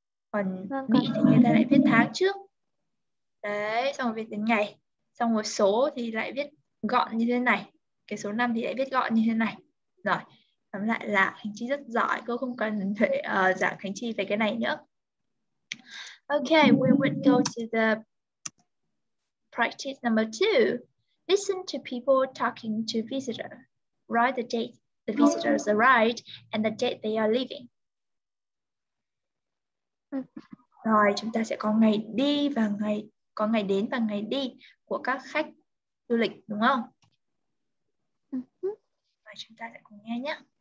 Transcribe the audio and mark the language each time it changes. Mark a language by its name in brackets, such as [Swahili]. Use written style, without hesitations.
[Vietnamese] Còn Mỹ thì người ta lại viết tháng trước. Đấy, xong rồi viết đến ngày, xong rồi số thì lại viết gọn như thế này. Cái số 5 thì lại viết gọn như thế này. Rồi. Tóm lại là Hành Chi rất giỏi, cô không cần phải giảng Hành Chi về cái này nữa. [English] Okay, we would go to the practice number 2. Listen to people talking to visitor. Write the date the visitors arrived and the date they are leaving. [Vietnamese] Rồi, chúng ta sẽ có ngày đi và ngày có ngày đến và ngày đi của các khách du lịch đúng không? Rồi, chúng ta sẽ cùng nghe nhé.